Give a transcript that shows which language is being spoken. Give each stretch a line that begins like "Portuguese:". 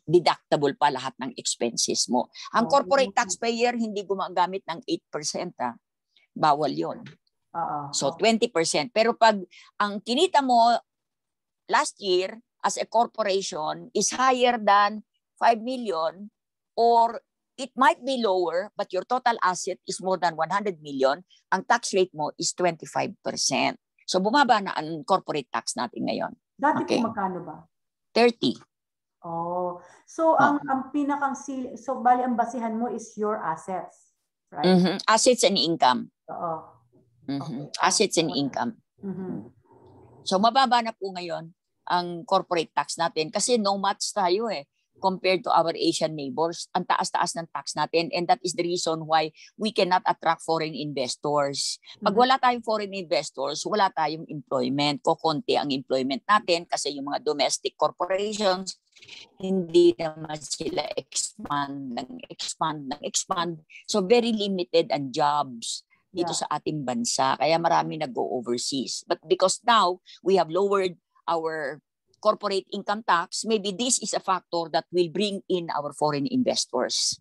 Filipino: Deductible pa lahat ng expenses mo. Ang corporate taxpayer hindi gumagamit ng 8%. Bawal yun. So 20%. Pero pag ang kinita mo
English: last year as a corporation is higher than 5 million or it might be lower but your total asset is more than 100 million,
Filipino: ang tax rate mo
English: is 25%.
Filipino: So bumaba na ang corporate tax natin ngayon. Dati okay. Po magkano ba? 30. Oh. So ang pinakang so bali ang basihan mo
English: is your assets, right? Mm-hmm. Assets and income.
Filipino: Oo.
English: Mm-hmm. Assets and income. Mm-hmm.
Filipino: So mababa na po ngayon ang corporate tax natin kasi nomads tayo eh compared to our Asian neighbors. Ang taas-taas ng tax natin
English: and that is the reason why we cannot attract foreign investors.
Filipino: Pag wala tayong foreign investors, wala tayong employment. Kokonti ang employment natin kasi yung mga domestic corporations hindi naman sila expand. So
English: very limited
Filipino: ang jobs dito sa ating bansa. Kaya marami nag-go overseas.
English: But because now, we have lowered our corporate income tax, maybe this is a factor that will bring in our foreign investors.